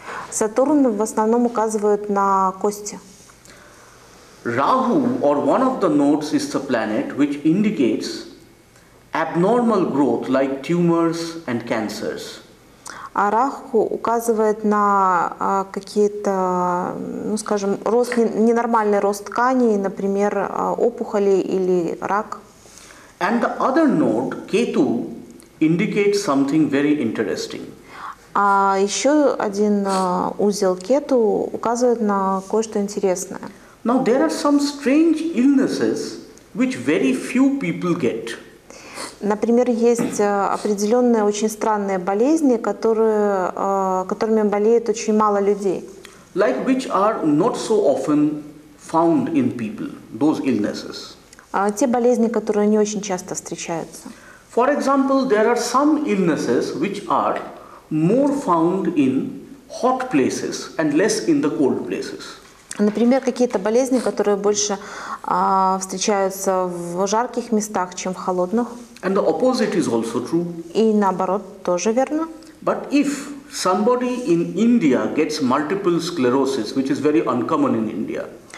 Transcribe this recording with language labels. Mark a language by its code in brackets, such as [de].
[ru] Сатурн в основном указывает на кости. [en] Rahu or one of the nodes is the planet which indicates abnormal growth like tumors and cancers. [ru] А Раху указывает на какие-то, ну, скажем, рост, ненормальный рост тканей, например, опухоли или рак. [en] And the other node, Ketu, indicates something very interesting. [ru] А еще один узел Кету указывает на кое-что интересное. [en] Now there are some strange illnesses which very few people get. [ru] Например, есть определенные очень странные болезни, которыми болеет очень мало людей. [en] Like which are not so often found in people, those illnesses. [ru] Те болезни, которые не очень часто встречаются. [en] For example, there are some illnesses which are more found in hot places and less in the cold places. [ru] Например, какие-то болезни, которые больше встречаются в жарких местах, чем в холодных. [en] And the opposite is also true. [ru] И наоборот, тоже верно. [en] But if somebody in India gets multiple sclerosis, which is very uncommon in India.